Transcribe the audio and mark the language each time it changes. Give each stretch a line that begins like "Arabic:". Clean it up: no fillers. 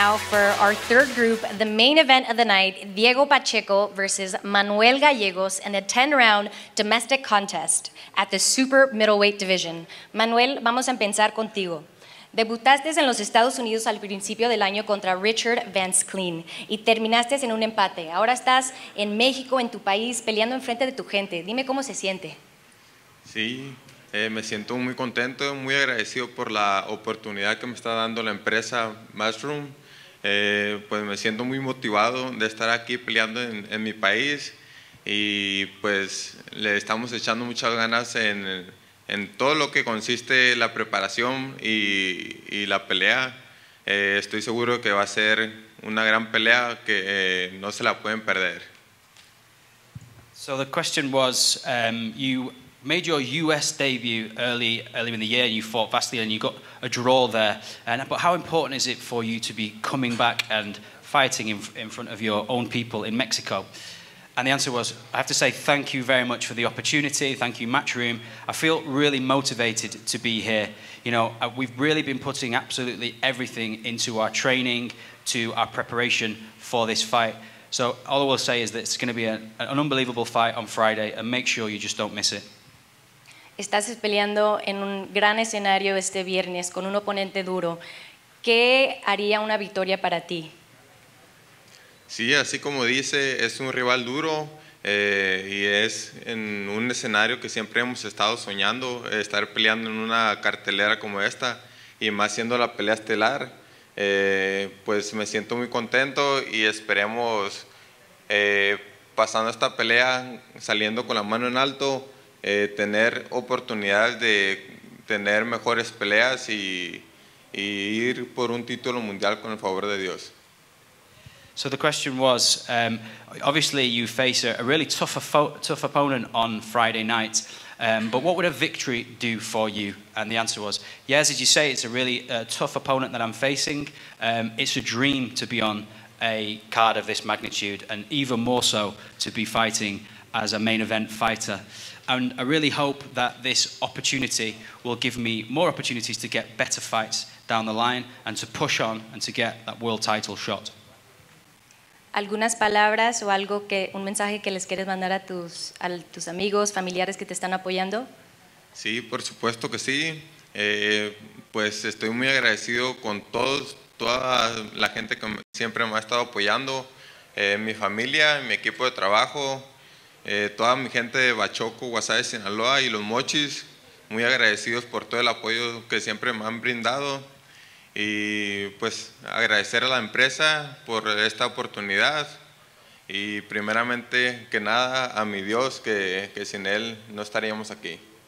English: For our third group, the main event of the night, Diego Pacheco versus Manuel Gallegos in a 10-round domestic contest at the super middleweight division.
Spanish: Manuel, vamos a empezar contigo. Debutaste en los Estados Unidos al principio del año contra Richard Van Skleen y terminaste en un empate. Ahora estás en México, en tu país, peleando enfrente de tu gente. Dime cómo se siente. Sí, me siento muy contento, muy agradecido por la oportunidad que me está dando la empresa Matchroom. Pues me siento muy motivado de estar aquí peleando en mi país y pues le estamos echando muchas ganas en todo lo que consiste la preparación y la pelea. Estoy seguro que va a ser una gran pelea que no se la pueden perder.
English: So the question was, you made your US debut early in the year and you fought Vasily and you got a draw there, but how important is it for you to be coming back and fighting in front of your own people in Mexico? And the answer was, I have to say thank you very much for the opportunity, thank you Matchroom. I feel really motivated to be here. You know, we've really been putting absolutely everything into our training, to our preparation for this fight. So all I will say is that it's going to be an unbelievable fight on Friday, and make sure you just don't miss it.
Spanish: Estás peleando en un gran escenario este viernes con un oponente duro. ¿Qué haría una victoria para ti? Sí, así como dice, es un rival duro y es en un escenario que siempre hemos estado soñando, estar peleando en una cartelera como esta y más siendo la pelea estelar. Pues me siento muy contento y esperemos, pasando esta pelea, saliendo con la mano en alto, tener oportunidades de tener mejores peleas y ir por un título mundial con el favor de Dios.
English: So the question was, obviously you face a really tough opponent on Friday night, but what would a victory do for you? And the answer was, yes, as you say, it's a really tough opponent that I'm facing. It's a dream to be on a card of this magnitude, and even more so to be fighting as a main event fighter. And I really hope that this opportunity will give me more opportunities to get better fights down the line and to push on and to get that world title shot.
Spanish: ¿Algunas palabras o algo que, un mensaje que les quieres mandar a tus amigos, familiares que te están apoyando? Sí, por supuesto que sí. Pues estoy muy agradecido con toda la gente que siempre me ha estado apoyando, mi familia, mi equipo de trabajo, toda mi gente de Pacheco, Guasave, Sinaloa y Los Mochis, muy agradecidos por todo el apoyo que siempre me han brindado y pues agradecer a la empresa por esta oportunidad y primeramente que nada a mi Dios que sin él no estaríamos aquí.